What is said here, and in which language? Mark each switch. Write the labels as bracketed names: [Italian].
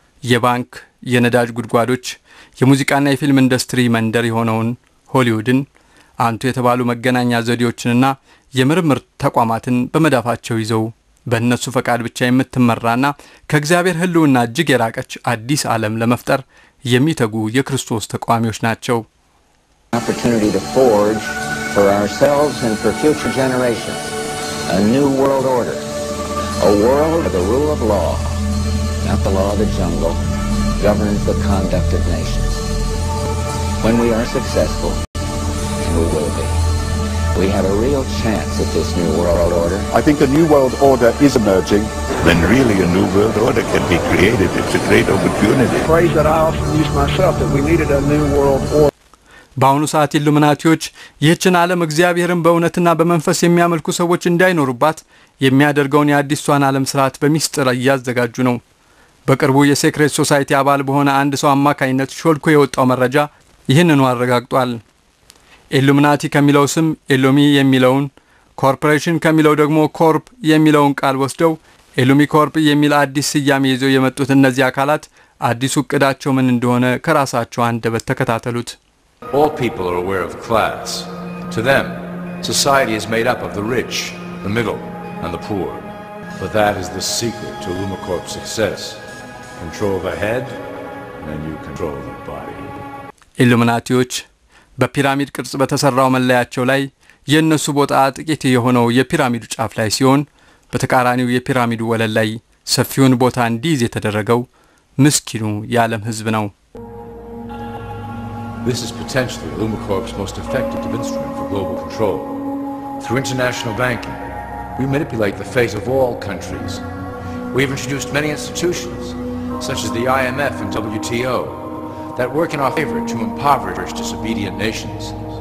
[Amharic] የባንክ፣ የነዳጅ ጉድጓዶች፣ የሙዚቃና የፊልም ኢንዱስትሪ መንደር የሆነውን ሆሊውድን፣ አንቱ የተባሉ መገናኛ ዘዴዎችንና የምርምር ተቋማትን በመዳፋቸው ይዘው በእነሱ ፈቃድ ብቻ የምትመራና ከእግዚአብሔር ሕልውና እጅግ የራቀች አዲስ ዓለም ለመፍጠር የሚተጉ የክርስቶስ ተቋሚዎች ናቸው። [English] Opportunity to forge for ourselves and for future generations a new world order, a world of the rule of law, not the law of the jungle, governs the conduct of nations. When we are successful, and we will be, we have a real chance at this new world order. I think a new world order is emerging. Then really a new world order can be created. It's a great opportunity. The phrase that I often use myself, that we needed a new world order. [Amharic] ባሁን ሰዓት ኢሉሚናቲዎች የችን ዓለም እግዚአብሔርን በእውነትና በመንፈስ የሚያመልኩ ሰዎች እንዳይኖሩባት የሚያደርገውን የአዲሷን ዓለም ስርዓት በሚስጥር ያዘጋጁ ነው። በቅርቡ የሴክሬት ሶሳይቲ አባል በሆነ አንድ ሰው አማካይነት ሾልኮ የወጣው መረጃ ይህንን አረጋግጧል። ኢሉሚናቲ ከሚለው ስም ኢሉሚ የሚለውን ኮርፖሬሽን ከሚለው ደግሞ ኮርፕ የሚለውን ቃል ወስደው ኢሉሚ ኮርፕ የሚል አዲስ ስያሜ ይዘው የመጡት እነዚህ አካላት አዲሱ ቅዳቸው ምን እንደሆነ ከራሳቸው አንደበት ተከታተሉት። [English] All people are aware of class. To them, society is made up of the rich, the middle, and the poor. But that is the secret to Lumicorp's success. Control the head, and you control the body. [Amharic] Illuminatiuch, በፒራሚድ ቅርጽ በተሰራው መለያቸው ላይ የነሱ ቦታ ጥቂት የሆነው የፒራሚዱ ጫፍ ላይ ሲሆን በተቃራኒው የፒራሚዱ ወለል ላይ ሰፊውን ቦታ እንዲይዝ የተደረገው ምስኪኑ ያለም ህዝብ ነው። [English] This is potentially Lumicorp's most effective instrument for global control. Through international banking, we manipulate the fate of all countries. We've introduced many institutions, such as the IMF and WTO, that work in our favor to impoverish disobedient nations.